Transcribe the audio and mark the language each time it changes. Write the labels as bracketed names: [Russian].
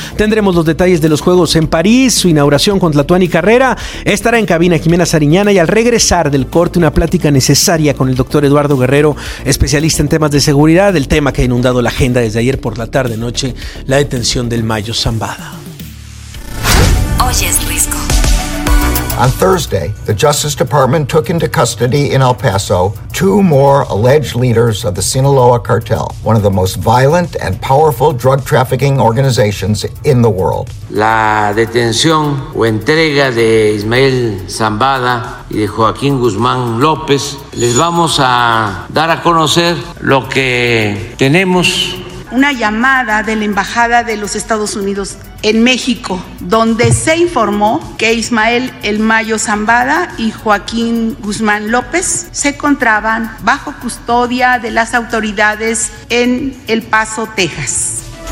[Spanish] Tendremos los detalles de los Juegos en París, su inauguración con Tlatuani Carrera. Estará en cabina Jimena Sariñana y al regresar del corte una plática necesaria con el doctor Eduardo Guerrero, especialista en temas de seguridad, el tema que ha inundado la agenda desde ayer por la tarde-noche, la detención del Mayo Zambada. Hoy es Risco. [English] On Thursday, the Justice Department took into custody in El Paso two more alleged leaders of the Sinaloa cartel, one of the most violent and powerful drug trafficking organizations in the world. [Spanish] La detención o entrega de Ismael Zambada y de Joaquín Guzmán López, les vamos a dar a conocer lo que tenemos. Una llamada de la Embajada de los Estados Unidos en México, donde se informó que Ismael El Mayo Zambada y Joaquín Guzmán López se encontraban bajo custodia de las autoridades en El Paso, Texas.